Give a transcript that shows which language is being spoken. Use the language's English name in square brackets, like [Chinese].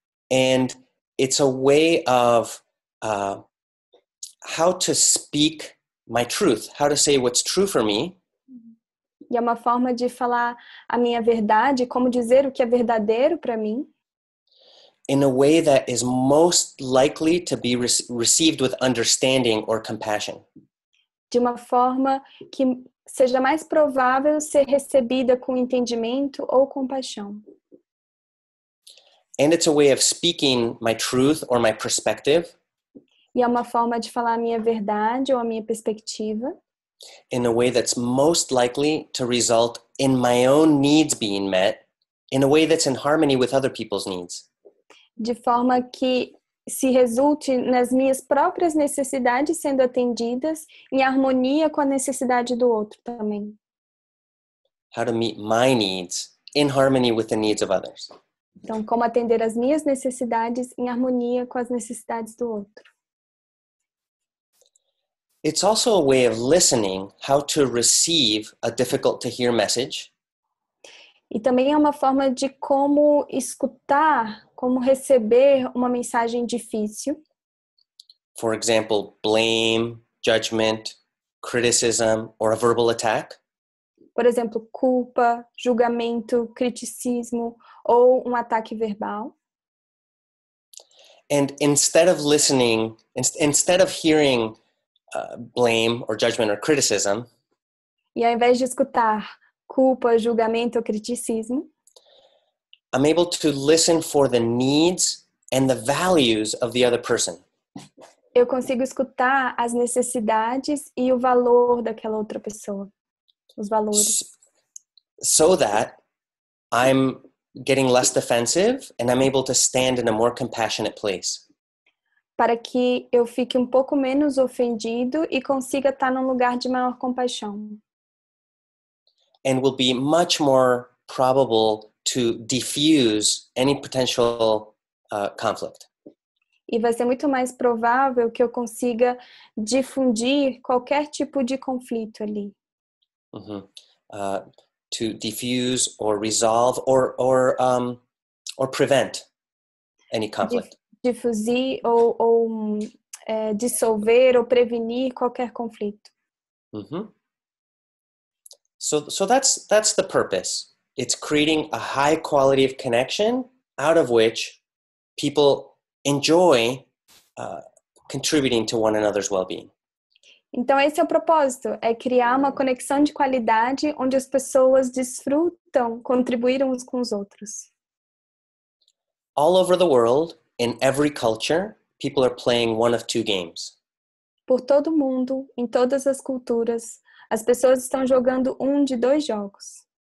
[English] And it's a way of how to speak my truth, how to say what's true for me. [Portuguese] E é uma forma de falar a minha verdade, como dizer o que é verdadeiro para mim. [English] In a way that is most likely to be received with understanding or compassion. [Portuguese] De uma forma que seja mais provável ser recebida com entendimento ou compaixão. [English] And it's a way of speaking my truth or my perspective. [Portuguese] E é uma forma de falar a minha verdade ou a minha perspectiva. [English] In a way that's most likely to result in my own needs being met, in a way that's in harmony with other people's needs. [Portuguese] De forma que se resulte nas minhas próprias necessidades sendo atendidas em harmonia com a necessidade do outro também. [English] How to meet my needs in harmony with the needs of others. [Portuguese] Então, como atender as minhas necessidades em harmonia com as necessidades do outro. [English] It's also a way of listening how to receive a difficult to hear message. [Portuguese] E também é uma forma de como escutar, como receber uma mensagem difícil. [English] For example, blame, judgment, criticism, or a verbal attack. [Portuguese] Por exemplo, culpa, julgamento, criticismo, ou um ataque verbal. [English] And instead of listening, instead of hearing blame or judgment or criticism. [Portuguese] E ao invés de escutar culpa, julgamento ou criticismo, [English] I'm able to listen for the needs and the values of the other person. [Portuguese] Eu consigo escutar as necessidades e o valor daquela outra pessoa. Os valores. [English] So that I'm getting less defensive and I'm able to stand in a more compassionate place. [Portuguese] Para que eu fique um pouco menos ofendido e consiga estar num lugar de maior compaixão. [English] And will be much more probable to diffuse any potential conflict. [Portuguese] E vai ser muito mais provável que eu consiga difundir qualquer tipo de conflito ali. [English] To diffuse or resolve or prevent any conflict. [Portuguese] Difusir ou dissolver ou prevenir qualquer conflito. [English] So that's the purpose. It's creating a high quality of connection out of which people enjoy contributing to one another's well-being. [Portuguese] Então esse é o propósito, é criar uma conexão de qualidade onde as pessoas desfrutam contribuir uns com os outros. [English] All over the world, in every culture, people are playing one of two games. [Portuguese] Por todo mundo, em todas as culturas, as pessoas estão jogando um de dois jogos.